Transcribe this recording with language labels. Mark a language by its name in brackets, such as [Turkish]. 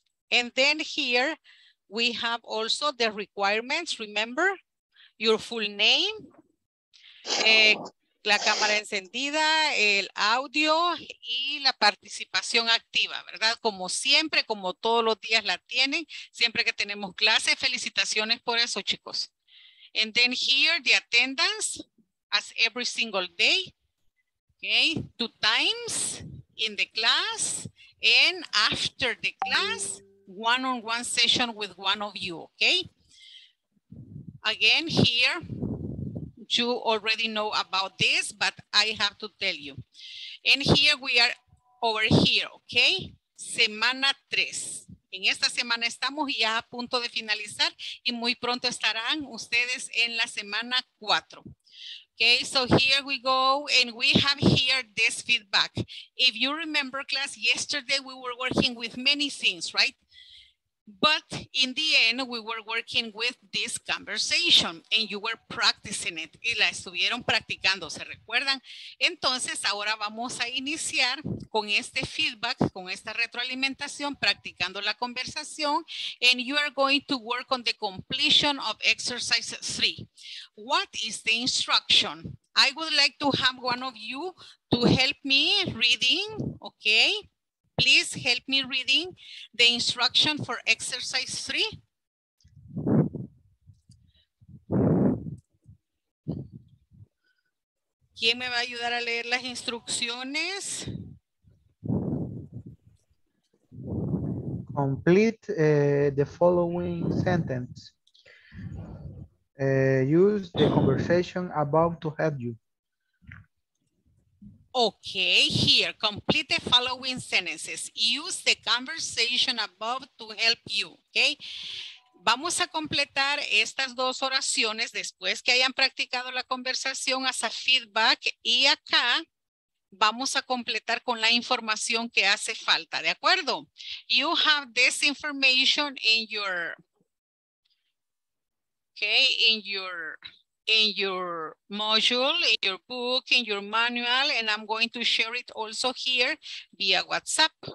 [English] And then here, we have also the requirements, remember, your full name, [Spanish] la cámara encendida, el audio y la participación activa, ¿verdad? Como siempre, como todos los días la tienen, siempre que tenemos clases, felicitaciones por eso, chicos. [English] And then here, the attendance, as every single day, okay, 2 times in the class and after the class, one-on-one session with one of you, okay? Again, here, you already know about this, but I have to tell you. And here we are over here, okay? [Spanish] Semana 3. En esta semana estamos ya a punto de finalizar y muy pronto estarán ustedes en la semana 4. [English] Okay, so here we go, and we have here this feedback. If you remember class, yesterday we were working with many things, right? But in the end, we were working with this conversation and you were practicing it. [Spanish] Y la estuvieron practicando, ¿se recuerdan? Entonces, ahora vamos a iniciar con este feedback, con esta retroalimentación, practicando la conversación. [English] And you are going to work on the completion of exercise 3. What is the instruction? I would like to have one of you to help me reading, okay? Please help me reading the instruction for exercise 3. [Spanish] ¿Quién me va a ayudar a leer las instrucciones? [English] Complete the following sentence. Use the conversation above to help you. Okay, here, complete the following sentences. Use the conversation above to help you, okay? [Spanish] Vamos a completar estas dos oraciones después que hayan practicado la conversación [English] as a feedback [Spanish] y acá vamos a completar con la información que hace falta, ¿de acuerdo? [English] You have this information in your, okay, in your module, in your book, in your manual, and I'm going to share it also here via WhatsApp.